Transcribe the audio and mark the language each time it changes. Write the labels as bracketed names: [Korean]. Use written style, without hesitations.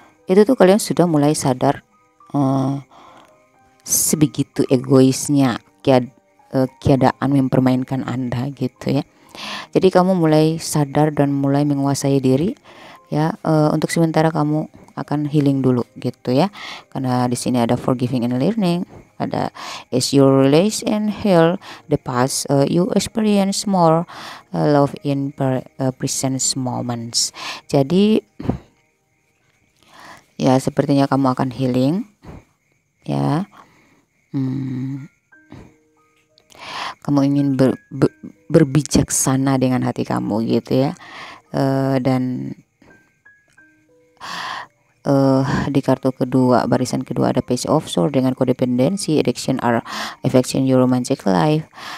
[Indonesian] Itu tuh kalian sudah mulai sadar sebegitu egoisnya keadaan mempermainkan Anda gitu ya. Jadi kamu mulai sadar dan mulai menguasai diri ya. Untuk sementara kamu akan healing dulu gitu ya. Karena di sini ada [English] forgiving and learning. [Indonesian] Ada [English] as you release and heal the past, you experience more love in present moments. [Indonesian] Jadi ya, sepertinya kamu akan healing ya. Kamu ingin berbijaksana dengan hati kamu gitu ya. Di kartu kedua, barisan kedua ada Page of Swords dengan [English] codependency, addiction or affection your romantic life.